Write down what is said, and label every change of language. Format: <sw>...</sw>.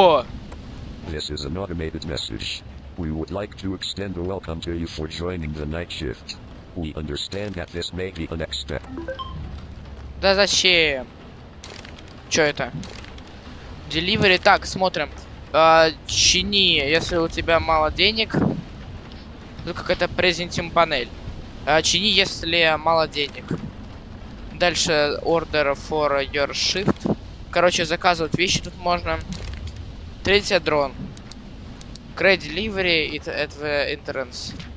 <en>This is an automated message. We would like to extend a welcome to you for joining the night shift. We understand that this may be an extent.</en> <ru>Да зачем? Чё это? Delivery, так, смотрим. Чини, если у тебя мало денег. Ну какая-то презентим панель. Чини, если мало денег. Дальше</ru> <en>order for your shift.</en> <ru>Короче, заказывать вещи тут можно. Третья дрон.</ru> <en>Great delivery at the entrance.</en>